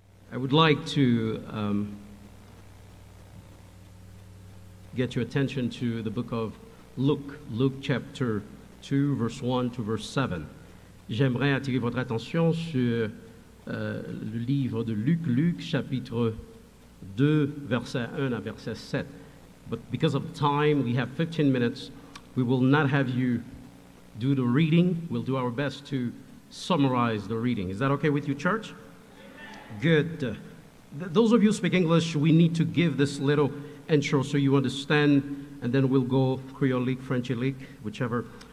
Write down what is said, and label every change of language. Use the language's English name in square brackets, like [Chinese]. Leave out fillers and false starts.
[English] I would like to get your attention to the book of Luke chapter 2, verse 1 to verse 7. [French] J'aimerais attirer votre attention sur le livre de Luc, chapitre 2, verset 1 à verset 7. [English] But because of time, we have 15 minutes. We will not have you do the reading. We'll do our best to summarize the reading. Is that okay with you, church? Good. Those of you who speak English, we need to give this little intro so you understand, and then we'll go Creolique, Frenchilique, whichever.